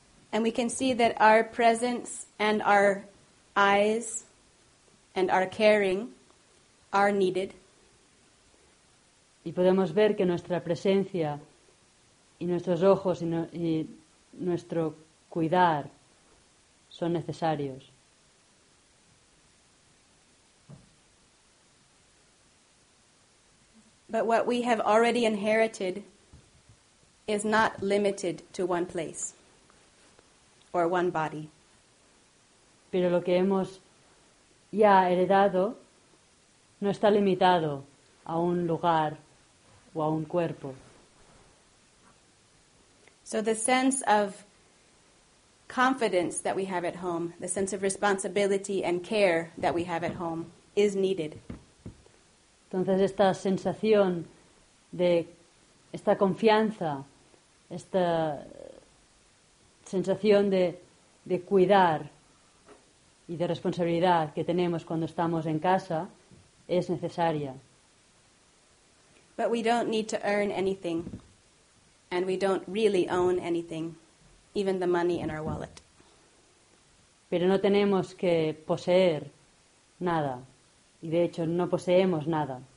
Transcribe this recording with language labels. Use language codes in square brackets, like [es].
[en] And we can see that our presence and our eyes and our caring are needed. [es] Y podemos ver que nuestra presencia y nuestros ojos y nuestro cuidar son necesarios. [en] But what we have already inherited is not limited to one place. Or one body. [es] Pero lo que hemos ya heredado no está limitado a un lugar o a un cuerpo. [en] So the sense of confidence that we have at home, the sense of responsibility and care that we have at home is needed. [es] Entonces esta sensación de esta confianza, esta sensación de cuidar y de responsabilidad que tenemos cuando estamos en casa es necesaria. [en] But we don't need to earn anything, and we don't really own anything, even the money in our wallet. [es] Pero no tenemos que poseer nada, y de hecho no poseemos nada.